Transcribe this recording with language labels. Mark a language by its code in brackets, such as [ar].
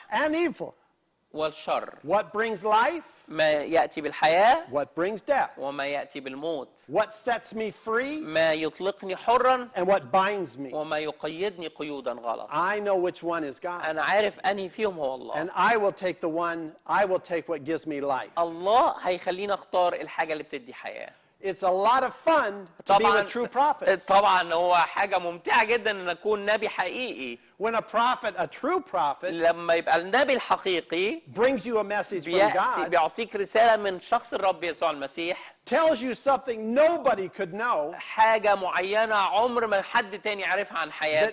[en] and evil. [ar] والشر. [en] What brings life? [ar] ما يأتي بالحياة [en] what brings death [ar] وما يأتي بالموت [en] what sets me free [ar] ما يطلقني حرا [en] and what binds me [ar] وما يقيدني قيودا غلط [en] I know which one is God [ar] أنا عارف أني فيهم هو الله [en] and I will take the one I will take what gives me life [ar] الله هيخليني أختار الحاجة اللي بتدي حياة [en] It's a lot of fun to be with true prophets. [ar] طبعا هو حاجة ممتعة جدا ان اكون نبي حقيقي. [en] When a prophet, a true prophet, [ar] لما يبقى النبي الحقيقي [en] brings you a message from God. [ar] بيعطيك رسالة من شخص الرب يسوع المسيح. [en] Tells you something nobody could know. [ar] حاجة معينة عمر ما حد تاني عارفها عن حياتك.